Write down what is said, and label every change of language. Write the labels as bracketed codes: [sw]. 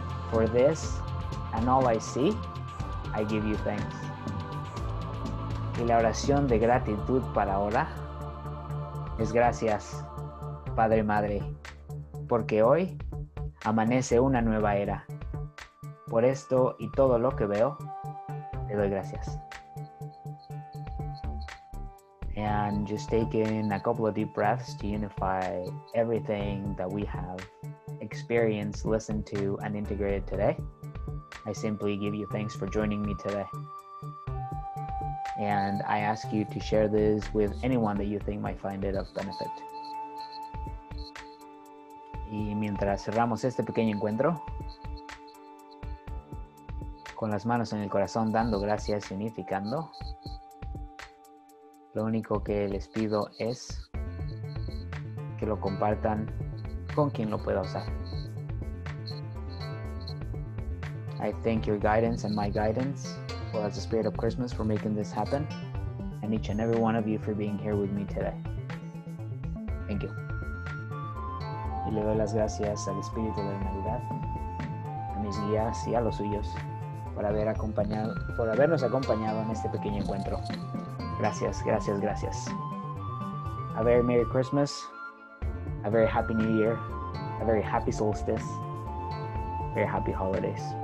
[en] For this and all I see, I give you thanks. [es] Y la oración de gratitud para ahora es gracias, Padre, Madre, porque hoy amanece una nueva era. Por esto y todo lo que veo, te doy gracias. [en] And just taking a couple of deep breaths to unify everything that we have experienced, listened to, and integrated today, I simply give you thanks for joining me today. And I ask you to share this with anyone that you think might find it of benefit. [es] Y mientras cerramos este pequeño encuentro, con las manos en el corazón, dando gracias y unificando, lo único que les pido es que lo compartan con quien lo pueda usar. [en] I thank your guidance and my guidance, well, as the spirit of Christmas, for making this happen, and each and every one of you for being here with me today. Thank you. [es] Y le doy las gracias al espíritu de la Navidad, a mis guías y a los suyos, por habernos acompañado en este pequeño encuentro. Gracias, gracias, gracias. [en] A very Merry Christmas, a very Happy New Year, a very Happy Solstice, very Happy Holidays.